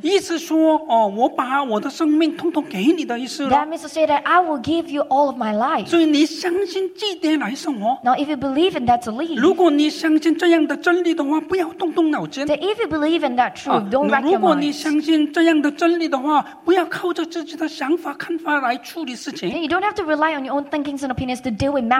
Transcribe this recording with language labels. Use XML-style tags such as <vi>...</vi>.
<zh>意思说, 我把我的生命统统给你的意思了,</zh> <en>that means to say that I will give you all of my life.</en> <zh>所以你相信这点来生活,</zh> <en>now if you believe in that to live,</en> <zh>如果你相信这样的真理的话, 不要动动脑筋,</zh> <en>that if you believe in that truth, don't wreck your mind.</en> <zh>如果你相信这样的真理的话, 不要靠着自己的想法看法来处理事情,</zh> <en>then you don't have to rely on your own thinkings and opinions to deal with matters.</en>